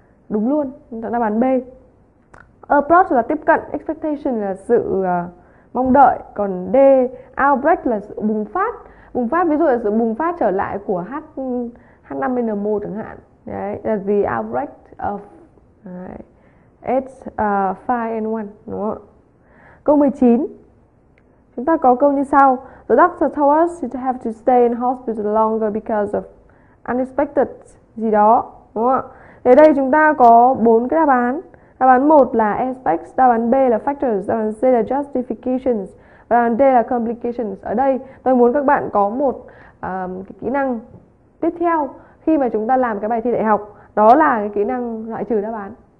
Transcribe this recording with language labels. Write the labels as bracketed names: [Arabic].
[Vietnamese] Đúng luôn, chúng ta đáp án B. Approach là tiếp cận, expectation là sự mong đợi, còn D, outbreak là sự bùng phát. Bùng phát ví dụ là sự bùng phát trở lại của H5N1 chẳng hạn. Đấy, là the outbreak of đấy, H5N1, đúng không? Câu 19. Chúng ta có câu như sau. [English] The doctor told us to have to stay in hospital longer because of unexpected [Vietnamese] gì đó, đúng không? Thì đây chúng ta có bốn cái đáp án. Đáp án 1 là aspects, đáp án B là factors, đáp án C là justifications và đáp án D là complications. Ở đây tôi muốn các bạn có một cái kỹ năng tiếp theo khi mà chúng ta làm cái bài thi đại học, đó là cái kỹ năng loại trừ đáp án.